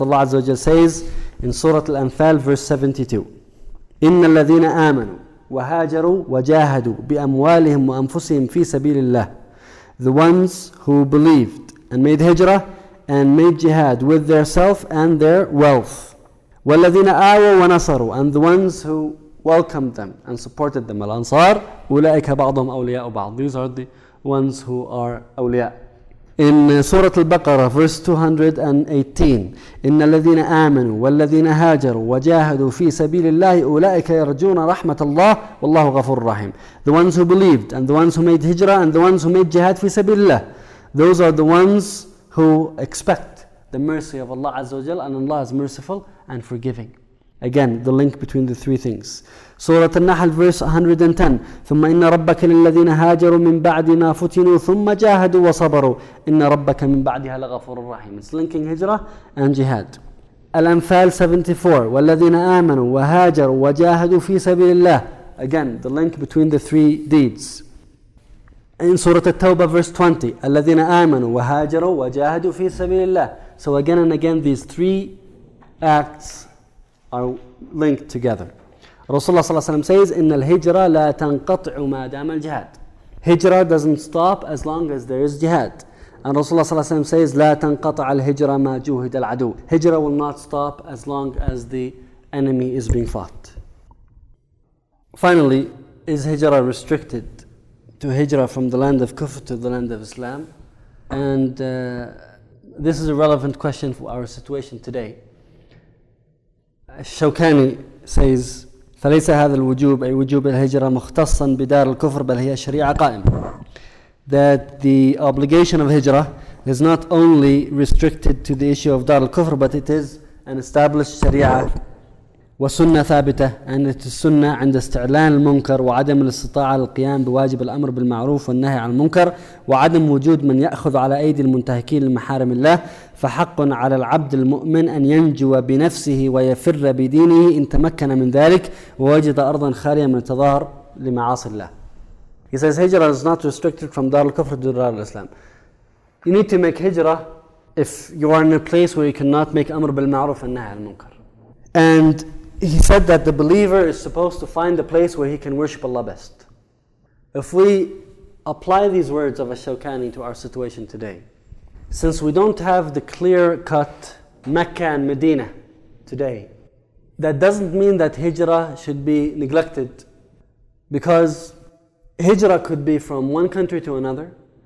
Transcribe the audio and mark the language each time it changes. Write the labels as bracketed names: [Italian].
[English] Allah Azza wa Jalla says in Surah Al-Anfal, verse 72, [Arabic] إِنَّ الَّذِينَ آمَنُوا وَهَاجَرُوا وَجَاهَدُوا بِأَمْوَالِهِمْ وَأَنفُسِهِمْ فِي سَبِيلِ اللَّهِ. [English] The ones who believed and made hijrah and made jihad with their self and their wealth. [Arabic] وَالَّذِينَ آوَوا وَنَصَرُوا. [English] And the ones who welcomed them and supported them. Al-Ansar, [Arabic] أُولَئِكَ بَعْضُهُمْ أَوْلِيَاءُ بَعْضُ. [English] These are the ones who are awliya. [Arabic] In Surah Al-Baqarah, verse 218, إِنَّ الَّذِينَ آمَنُوا وَالَّذِينَ هَاجَرُوا وَجَاهَدُوا فِي سَبِيلِ اللَّهِ أُولَٰئِكَ يَرْجُونَ رَحْمَةَ اللَّهِ وَاللَّهُ غَفُورٌ رَحِيمٌ. [English] The ones who believed, and the ones who made hijrah, and the ones who made jihad fi sabilillah, those are the ones who expect the mercy of Allah Azza wa Jal, and Allah is merciful and forgiving. Again, the link between the three things. Surah An-Nahl, verse 110. [Arabic] ثُمَّ إِنَّ رَبَّكَ لِلَّذِينَ هَاجَرُوا مِنْ بَعْدِ مَا فُتِنُوا ثُمَّ جَاهَدُوا وَصَبَرُوا إِنَّ رَبَّكَ مِنْ بَعْدِهَا لَغَفُورٌ رَحِيمٌ. [English] It's linking hijrah and jihad. [Arabic] Al-Anfal 74. وَالَّذِينَ آمَنُوا وَهَاجَرُوا وَجَاهَدُوا فِي سَبِيلِ اللَّهِ. [English] Again, the link between the three deeds. [Arabic] In Surah At-Tawbah, verse 20. الَّذِينَ آمَنُوا وَهَاجَرُوا وَجَاهَدُوا فِي سَبِيلِ اللَّهِ. [English] So again and again, these three acts are linked together. [Arabic] Rasulullah صلى الله عليه وسلم says, إِنَّ الْهِجْرَ لَا تَنْقَطْعُ مَا دَامَ الْجِهَادِ. [English] Hijra doesn't stop as long as there is jihad. [Arabic] And Rasulullah صلى الله عليه وسلم says, لَا تَنْقَطْعَ الْهِجْرَ مَا جُوهِدَ الْعَدُوُ. [English] Hijra will not stop as long as the enemy is being fought. Finally, is hijra restricted to hijra from the land of kufr to the land of Islam? And this is a relevant question for our situation today. [Arabic] الشوكاني says, فليس هذا الوجوب أي وجوب الهجرة مختصا بدار الكفر بل هي شريعة قائمة. [English] That the obligation of hijrah is not only restricted to the issue of [Arabic] دار الكفر, [English] but it is an established [Arabic] شريعة وسنة ثابتة, and it is سنة عند استعلان المنكر وعدم الاستطاعة للقيام بواجب الأمر بالمعروف والنهي عن المنكر وعدم وجود من يأخذ على أيدي المنتهكين لمحارم الله. فحق على العبد المؤمن أن ينجو بنفسه ويفر بدينه إن تمكن من ذلك ووجد أرضا خالية من التظاهر لمعاصي الله. [English] He says hijrah is not restricted from دار الكفر to دار الإسلام. You need to make hijrah if you are in a place where you cannot make [Arabic] أمر بالمعروف والنهي عن المنكر. [English] And he said that the believer is supposed to find the place where he can worship Allah best. If we apply these words of Ash-Shawkani to our situation today, since we don't have the clear-cut Mecca and Medina today, that doesn't mean that hijrah should be neglected, because hijrah could be from one country to another.